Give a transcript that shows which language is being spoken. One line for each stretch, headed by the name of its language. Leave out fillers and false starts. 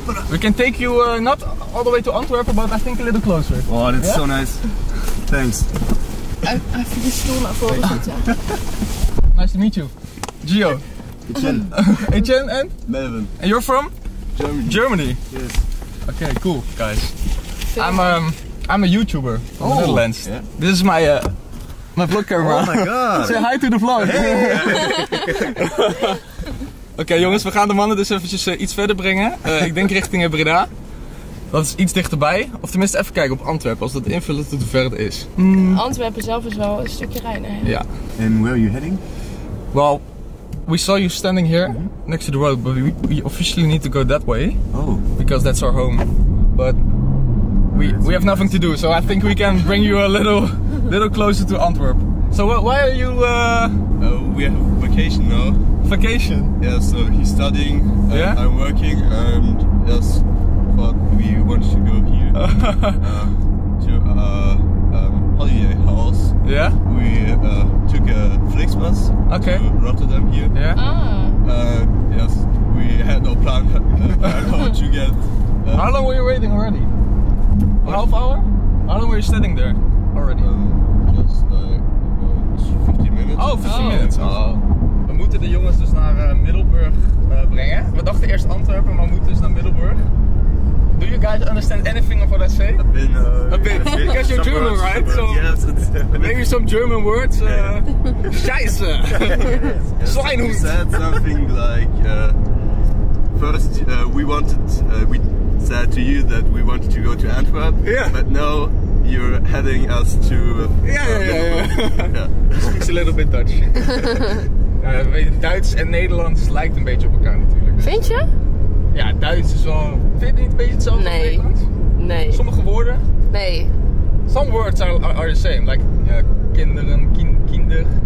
English: We can take you not all the way to Antwerpen, but I think a little closer. Oh, that's so nice. Thanks.
Dutch: Even de stoel naar voren zitten.
English: Nice to meet you. Gio. Etienne.
Dutch: En? Melvin.
English: And you're from? Germany. Yes. Okay, cool, guys. I'm a YouTuber from the Netherlands. Yeah. This is my my vlog camera. Oh my god. Say hi to the vlog. Hey.
Dutch: Okay, jongens, we gaan de mannen dus eventjes iets verder brengen. Ik denk richting Breda. Dat is iets dichterbij. Of tenminste, even kijken op Antwerpen, als dat invullen tot hoe ver het is. Mm. Antwerpen zelf is wel een stukje rijden. Ja.
English: Yeah. And where are you heading? Well, we saw you standing here next to the road, but we officially need to go that way. Oh. Because that's our home. But we have nothing to do, so I think we can bring you a little closer to Antwerp. So why are you... We have vacation now. Vacation? Yeah, so he's studying, I'm working, and yes, but we want to go here holiday house. Yeah. We took a Flixbus to Rotterdam here. Yeah. Yes. We had no plan how to get. How long were you waiting already? Half hour? How long were you standing there already? Just like 15 minutes. Oh, 15 minutes.
Dutch: We moeten de jongens dus naar Middelburg brengen. We dachten eerst Antwerpen, maar we moeten dus naar Middelburg.
English: Do you guys understand anything of what I say? A bit. Because you're German, words, right? So yes, maybe some German words.
German: Scheiße. Schweinhund.
English: We said something like, first we said to you that we wanted to go to Antwerp. Yeah. But now you're heading us to... Yeah. Speaks a little bit Dutch.
Dutch: Duits en Nederlands lijkt een beetje op elkaar natuurlijk. Vind je? Ja, Duits is wel... Vind je het niet een beetje hetzelfde als Nederlands? Nee. Sommige woorden? Nee.
English: Some words are the same, like kinderen, kinder.